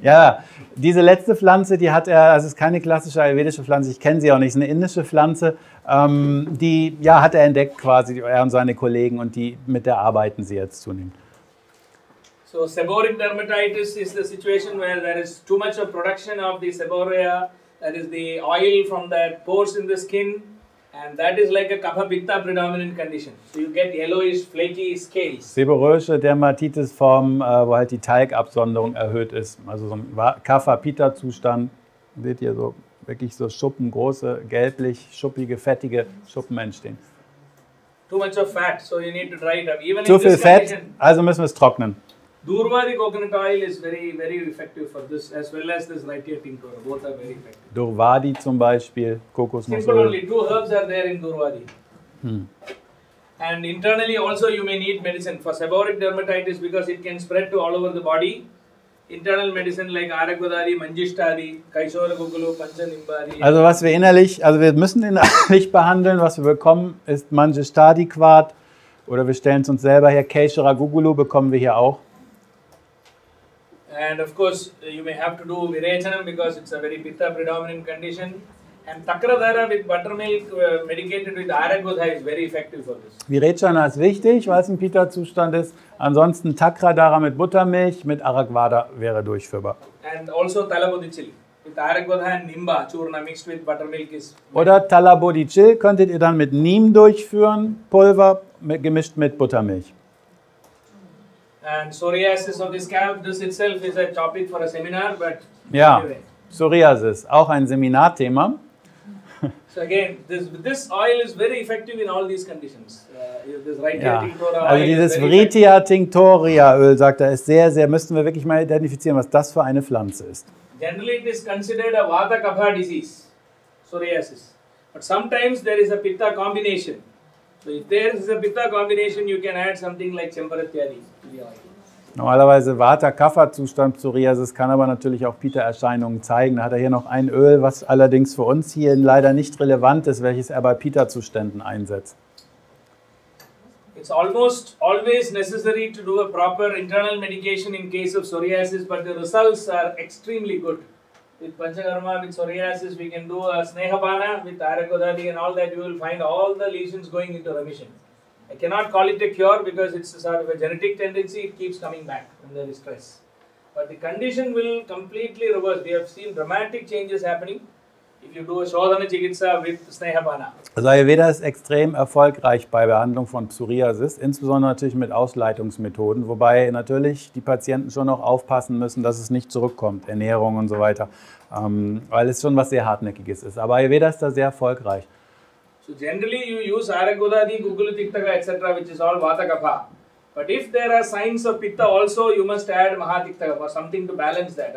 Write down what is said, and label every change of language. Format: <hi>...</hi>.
<de>ja, diese letzte Pflanze, die hat er, also es ist keine klassische ayurvedische Pflanze, ich kenne sie auch nicht, es ist eine indische Pflanze, die ja, hat er entdeckt quasi, er und seine Kollegen, und die mit der arbeiten sie jetzt zunehmend.</de> <en>So, seborrheic dermatitis is the situation where there is too much of production of the seborrhea. That is the oil from that pores in the skin, and that is like a kapha pitta predominant condition. So you get yellowish, flaky scales.</en> <de>Seborrheische Dermatitis Form, wo halt die Talgabsonderung erhöht ist. Also so ein kapha pitta Zustand. Seht ihr so wirklich so Schuppen, große, gelblich, schuppige, fettige Schuppen entstehen.</de> <en>Too much of fat, so you need to dry it up. Even</en> <de>too viel Fett, also müssen wir es trocknen.</de> <en>Durvari coconut oil is very, very effective for this, as well as this Raitya tinctoria. Both are very effective.</en> <de>Durvari zum Beispiel, Kokosnussöl.</de> <en>Simple only, two herbs are there in Durvari. Hmm. And internally also you may need medicine for seborrheic dermatitis because it can spread to all over the body. Internal medicine like Aragvadari, Manjishtari, Kaisora Gugulu, Panchanimbari.</en> <de>Also was wir innerlich, also wir müssen innerlich behandeln, was wir bekommen, ist Manjishtari Quad. Oder wir stellen es uns selber her, Kaisora Gugulu bekommen wir hier auch.</de> <en>And of course, you may have to do virechanam because it's a very pitta predominant condition. And takradhara with buttermilk medicated with aragodha is very effective for this.</en> <de>Virechana ist wichtig, weil es ein pitta Zustand ist. Ansonsten takradhara mit Buttermilch, mit aragvada wäre durchführbar.</de> <en>And also talabodichil. With aragodha and nimba, churna mixed with buttermilk is...</en> <de>Oder talabodichil könntet ihr dann mit Neem durchführen, Pulver gemischt mit Buttermilch.</de> <en>And psoriasis of the scalp, this itself is a topic for a seminar, but</en> <de>ja, anyway. Psoriasis, auch ein Seminarthema.</de> <en>So again, this oil is very effective in all these conditions. This Raitya ja. Tinctoria</en> <de>also</de> <en>oil</en> <de>dieses Raitya Tinctoria Öl, sagt er, ist sehr, sehr, müssten wir wirklich mal identifizieren, was das für eine Pflanze ist.</de> <en>Generally it is considered a Vata Kapha disease, psoriasis. But sometimes there is a Pitta combination. So if there is a Pitta combination, you can add something like Chambaratyari.</en> <de>Normalerweise Vata-Kapha-Zustand Psoriasis kann aber natürlich auch Pita-Erscheinungen zeigen. Da hat er hier noch ein Öl, was allerdings für uns hier leider nicht relevant ist, welches er bei Pita-Zuständen einsetzt.</de> <en>It's almost always necessary to do a proper internal medication in case of psoriasis, but the results are extremely good. With Panchakarma, with psoriasis, we can do a Snehapana with Aragodhari and all that. You will find all the lesions going into remission. I cannot call it a cure because it's a sort of a genetic tendency, it keeps coming back when there is stress. But the condition will completely reverse. We have seen dramatic changes happening if you do a Shodhana Chikitsa with Snehapana.</en> <de>Also Ayurveda ist extrem erfolgreich bei Behandlung von Psoriasis, insbesondere natürlich mit Ausleitungsmethoden, wobei natürlich die Patienten schon noch aufpassen müssen, dass es nicht zurückkommt, Ernährung und so weiter, weil es schon was sehr Hartnäckiges ist. Aber Ayurveda ist da sehr erfolgreich.</de> <en>So generally you use Aragodadi, Gugulu Tiktaka, etc., which is all Vata Kapha. But if there are signs of Pitta also, you must add Mahatiktaka for something to balance that.</en>